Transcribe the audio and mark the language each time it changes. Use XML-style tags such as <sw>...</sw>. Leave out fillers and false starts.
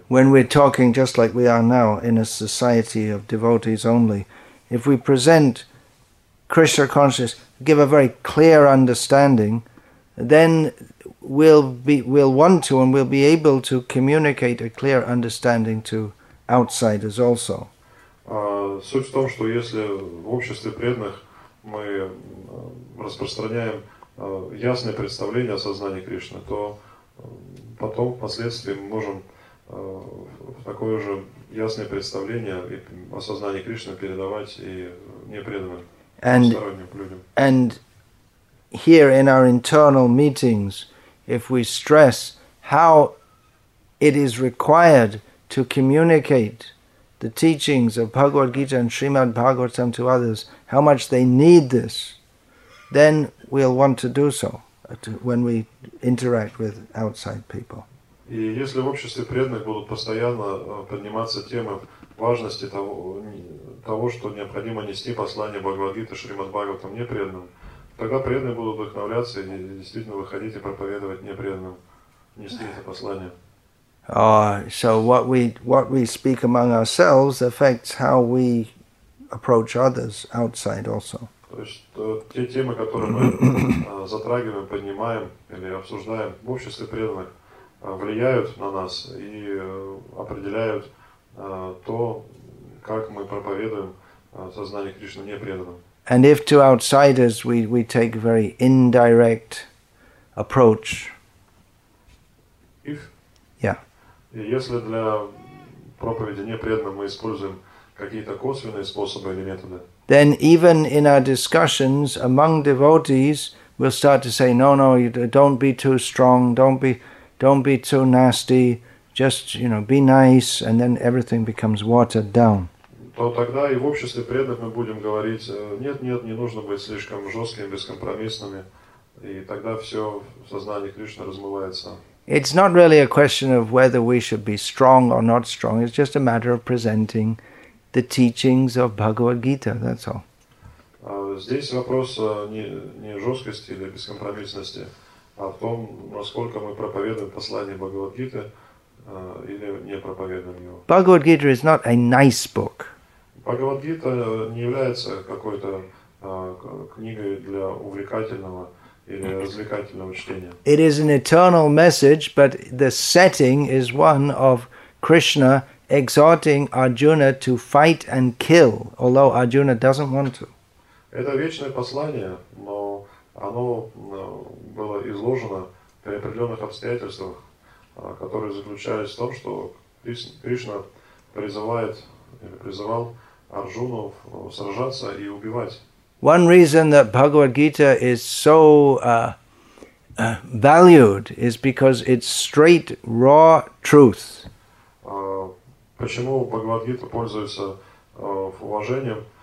<en>When we're talking just like we are now in a society of devotees only, if we present Krishna consciousness, give a very clear understanding, then we'll be able to communicate a clear understanding to outsiders also.</en> <ru>Суть в том, что если в обществе преданных мы распространяем ясное представление о сознании Кришны, то потом, впоследствии, мы можем такое же ясное представление о сознании Кришны передавать и непреданным, посторонним людям.</ru> <en>And here in our internal meetings, if we stress how it is required to communicate the teachings of Bhagavad Gita and Srimad Bhagavatam to others, how much they need this, then we'll want to do so when we interact with outside people.</en> <ru>И если в обществе преданных будут постоянно подниматься темы важности того, что необходимо нести послание Бхагавад-гиты Шримад Бхагаватам непреданным, тогда преданные будут вдохновляться и действительно выходить и проповедовать непреданным, нести это послание.</ru> <en>So what we speak among ourselves affects how we approach others outside also.</en> <ru>То есть те темы, которые мы затрагиваем, поднимаем или обсуждаем в обществе преданных, влияют на нас и определяют то, как мы проповедуем сознание Кришны непреданным.</ru> <en>And if to outsiders we take a very indirect approach. If? Yeah.</en> <ru>И если для проповеди непреданным мы используем какие-то косвенные способы или методы,</ru> <en>then even in our discussions among devotees, we'll start to say, no, don't be too strong, don't be too nasty, just, you know, be nice, and then everything becomes watered down.</en> <ru>То тогда и в обществе преданных мы будем говорить, нет, не нужно быть слишком жесткими, бескомпромиссными, и тогда все в сознании Кришны размывается.</ru> <en>It's not really a question of whether we should be strong or not strong, it's just a matter of presenting the teachings of Bhagavad Gita, that's all.</en> <ru>Здесь вопрос не жесткости или бескомпромиссности, а в том, насколько мы проповедуем послание Бхагавад Гиты или не проповедуем его.</ru> <en>Bhagavad Gita is not a nice book.</en> <ru>Bhagavad Gita не является какой-то книгой для увлекательного или развлекательного чтения.</ru> <en>It is an eternal message, but the setting is one of Krishna exhorting Arjuna to fight and kill, although Arjuna doesn't want to.</en> <ru>Это вечное послание, но оно было изложено при определенных обстоятельствах, которые заключались в том, что Кришна призывает или призывал Арджуну сражаться и убивать.</ru> <en>One reason that Bhagavad Gita is so valued is because it's straight, raw truth.</en> <ru>Почему Бхагавад-гита пользуется уважением?</ru>